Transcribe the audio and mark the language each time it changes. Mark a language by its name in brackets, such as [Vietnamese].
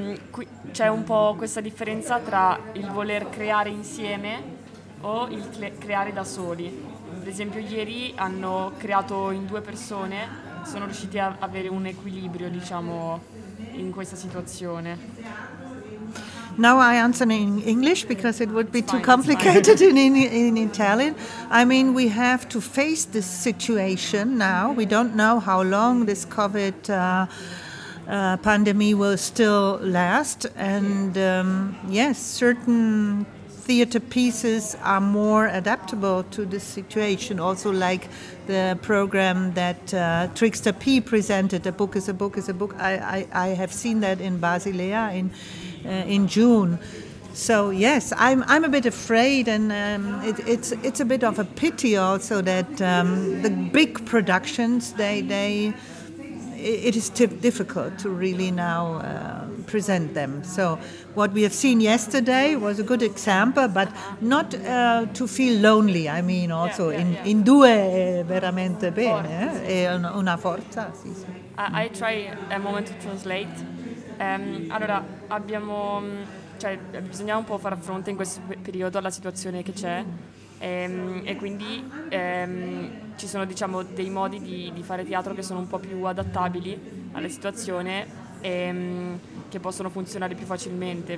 [Italian] Qui c'è un po' questa differenza tra il voler creare insieme o il creare da soli. Per esempio ieri hanno creato in due persone, sono riusciti a avere un equilibrio, diciamo, in questa situazione. [English] Now I answer in English because it would be too complicated in Italian. I mean, we have to face this situation now. We don't know how long this COVID pandemic will still last, and yes, certain theater pieces are more adaptable to this situation. Also, like the program that Trickster P presented, "A Book is a Book is a Book." I have seen that in Basilea in June. So yes, I'm a bit afraid, and it's a bit of a pity also that the big productions they. It is difficult to really now present them. So what we have seen yesterday was a good example, but not to feel lonely. I mean, also [Italian] in due è veramente bene, è una forza. Sì, sì. [English] I try a moment to translate. [Italian] Allora abbiamo, cioè bisogna un po' far fronte in questo periodo alla situazione che c'è. E quindi ci sono, diciamo, dei modi di fare teatro che sono un po' più adattabili alla situazione e che possono funzionare più facilmente.